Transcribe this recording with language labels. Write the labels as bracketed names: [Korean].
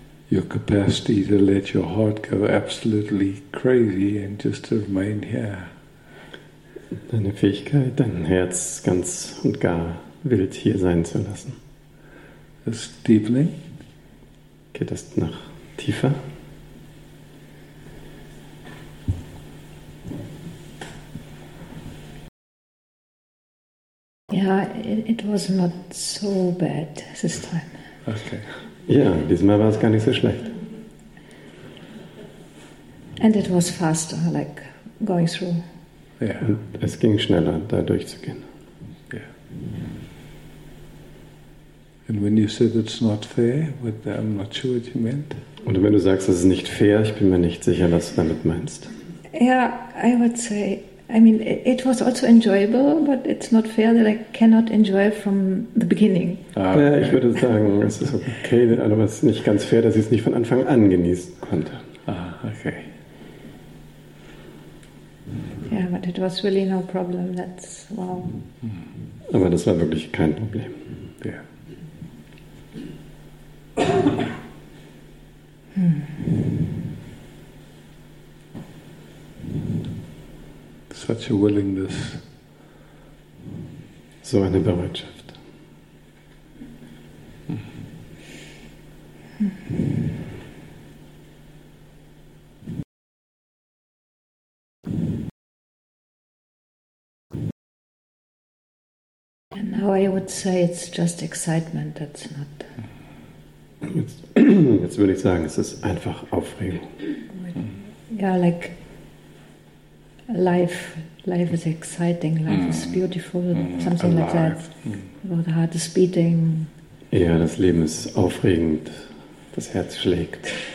[English] Your capacity to let your heart go absolutely crazy and just to remain here. [German] Deine Fähigkeit, dein Herz ganz und gar wild hier sein zu lassen. [English] It's deepening. [German] Geht das noch tiefer? [English] Ja, it was not so bad this time. Okay. [German] Ja, diesmal war es gar nicht so schlecht. [English] And it was faster, like going through. [German] Ja. Und es ging schneller, da durchzugehen. [English] And when you said it's not fair, I'm not sure what you meant. [German] Und wenn du sagst, es ist nicht fair, ich bin mir nicht sicher, was du damit meinst. [English] Yeah, I would say, I mean, it was also enjoyable, but it's not fair that I cannot enjoy from the beginning. [German] Ah, okay. Ja, ich würde sagen, es ist okay, aber es ist nicht ganz fair, dass ich es nicht von Anfang an genießen konnte. [English] Ah, okay. Yeah, but it was really no problem, that's, wow. [German] Aber das war wirklich kein Problem. [English] Yeah. Such a willingness. [German] So eine Bereitschaft. [English] And now I would say it's just excitement, that's not. [German] Jetzt würde ich sagen, es ist einfach Aufregung. [English] Ja, like life is exciting, life is beautiful, something alive. Like that. Well, the heart is beating. [German] Ja, das Leben ist aufregend, das Herz schlägt.